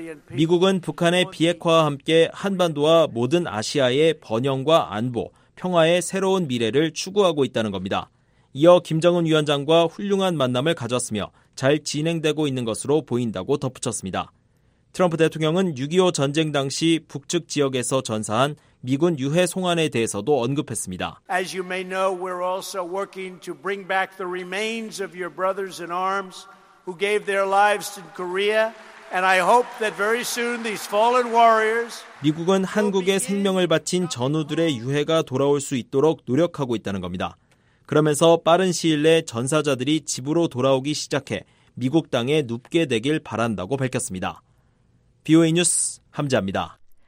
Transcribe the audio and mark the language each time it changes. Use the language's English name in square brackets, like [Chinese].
[Korean] 미국은 북한의 비핵화와 함께 한반도와 모든 아시아의 번영과 안보, 평화의 새로운 미래를 추구하고 있다는 겁니다. 이어 김정은 위원장과 훌륭한 만남을 가졌으며 잘 진행되고 있는 것으로 보인다고 덧붙였습니다. 트럼프 대통령은 6.25 전쟁 당시 북측 지역에서 전사한 미군 유해 송환에 대해서도 언급했습니다. [English] As you may know, we're also working to bring back the remains of your brothers in arms who gave their lives in Korea. And I hope that very soon these fallen warriors. [Korean] 미국은 한국에 생명을 바친 전우들의 유해가 돌아올 수 있도록 노력하고 있다는 겁니다. 그러면서 빠른 시일 내 전사자들이 집으로 돌아오기 시작해 미국 땅에 눕게 되길 바란다고 밝혔습니다. BOA 뉴스 함지아입니다.